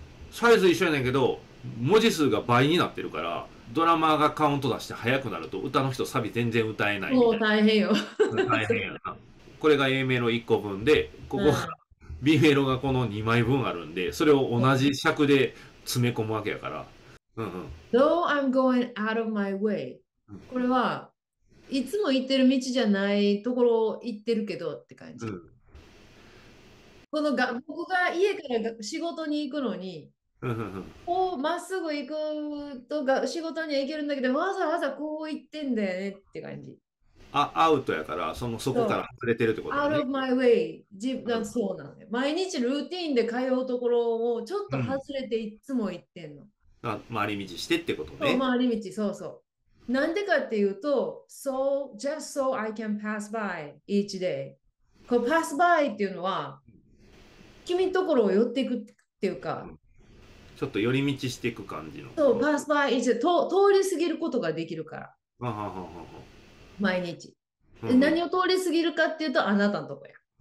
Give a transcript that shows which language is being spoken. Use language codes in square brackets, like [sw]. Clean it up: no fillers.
[ja] サイズ一緒やねんけど、文字数が倍になってるから、ドラマーがカウント出して速くなると、歌の人サビ全然歌えないみもう大変よ。いな。大変やな。これが A メロ1個分で、ここが B メロがこの2枚分あるんで、それを同じ尺で詰め込むわけやから。 [en] Though I'm going out of my way。 [ja] これはいつも行ってる道じゃないところを行ってるけどって感じ。このが僕が家から仕事に行くのに、こうまっすぐ行くとが仕事には行けるんだけど、わざわざこう行ってんだよねって感じ。アウトやから、そこからそう。外れてるってことやね。 [en] Out of my way。 [ja] そうなんだよ。毎日ルーティーンで通うところをちょっと外れていつも行ってんの。回り道してってことそう、ね。回り道、そうそう。なんでかっていうと、 [en] So, just so I can pass by each day。 [ja] こう、pass by っていうのは、君ところを寄っていくっていうか、ちょっと寄り道していく感じのそう、こ [en] pass by each day。 [ja] 通り過ぎることができるから。と。あ毎日。何を通り過ぎるかっていうと、あなたのとこや。